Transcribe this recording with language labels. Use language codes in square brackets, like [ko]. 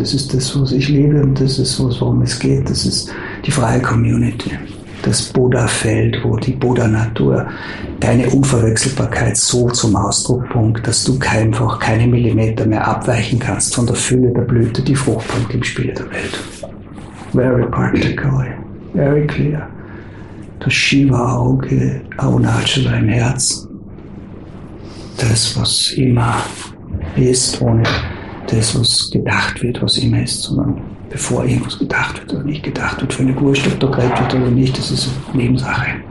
[de] Das ist das, was ich lebe, und das ist, worum es geht. Das ist die freie Community, das Buddha-Feld, wo die Buddha-Natur deine Unverwechselbarkeit so zum Ausdruck bringt, dass du einfach keine Millimeter mehr abweichen kannst von der Fülle der Blüte, die Frucht bringt im Spiel der Welt. [en] Very particular, very clear. [de] Das Shiva-Auge, Arunachala im Herzen. Das, was immer ist, ohne das, was gedacht wird, was immer ist, sondern bevor irgendwas gedacht wird oder nicht gedacht wird, für eine Wurst, ob da geredet wird oder nicht, das ist eine Nebensache.